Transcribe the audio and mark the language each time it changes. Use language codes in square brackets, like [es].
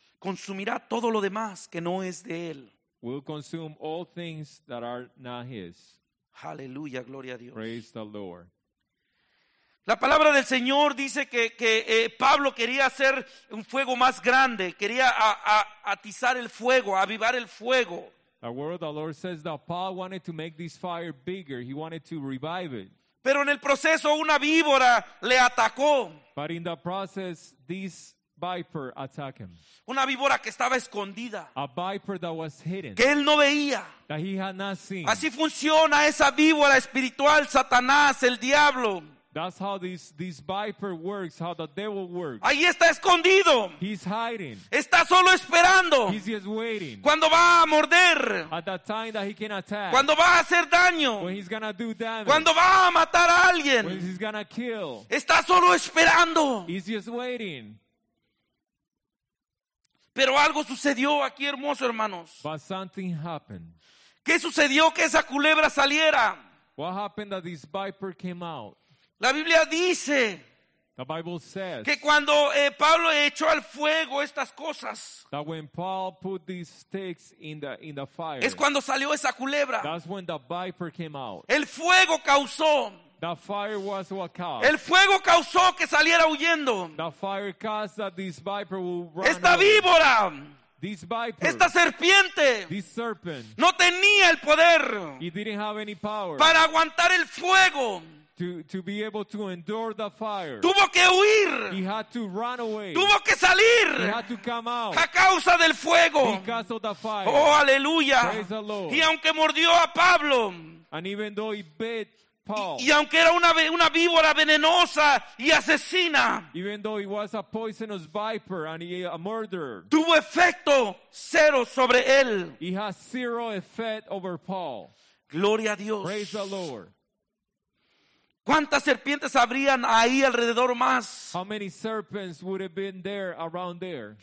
[es] Consumirá todo lo demás que no es de él. [en] Will consume all things that are not his. [es] Aleluya, gloria a Dios. [en] Praise the Lord. [es] La palabra del Señor dice que Pablo quería hacer un fuego más grande, quería atizar el fuego, avivar el fuego. [en] The word of the Lord says that Paul wanted to make this fire bigger. He wanted to revive it. [es] Pero en el proceso una víbora le atacó. [en] But in the process this viper attacked him. [es] Una víbora que estaba escondida. [en] A viper that was hidden. [es] Que él no veía. [en] That he had not seen. [es] Así funciona esa víbora espiritual, Satanás, el diablo. [en] That's how this viper works, how the devil works. [es] Ahí está escondido. [en] He's hiding. [es] Está solo esperando. [en] He's just waiting. [es] Cuando va a morder. [en] At the time that he can attack. [es] Cuando va a hacer daño. [en] When he's gonna do damage. [es] Cuando va a matar a alguien. [en] When he's gonna kill. [es] Está solo esperando. [en] He's just waiting. [es] Pero algo sucedió aquí, hermoso hermanos. [en] But something happened. [es] ¿Qué sucedió que esa culebra saliera? [en] What happened that this viper came out? [es] La Biblia dice [en] The Bible says [es] que cuando Pablo echó al fuego estas cosas, [en] that when Paul put these sticks in the fire, [es] es cuando salió esa culebra. [en] That's when the viper came out. [es] El fuego causó. [en] The fire was what caused. [es] El fuego causó que saliera huyendo. [en] The fire caused that this viper will run. [es] Esta víbora. [en] This viper, [es] esta serpiente, [en] this serpent, [es] no tenía el poder, [en] he didn't have any power, [es] para aguantar el fuego. [en] To be able to endure the fire. [es] Tuvo que huir. [en] He had to run away. [es] Tuvo que salir. [en] He had to come out. [es] A causa del fuego. [en] Because of the fire. [es] Oh, aleluya. [en] Praise the Lord. [es] Y aunque mordió a Pablo, [en] and even though he bit Paul, [es] y aunque era una víbora venenosa y asesina, [en] even though he was a poisonous viper and a murderer, [es] tuvo efecto cero sobre él. [en] He has zero effect over Paul. [es] Gloria a Dios. [en] Praise the Lord. [es] ¿Cuántas serpientes habrían ahí alrededor más? [en] How many serpents would have been there around there?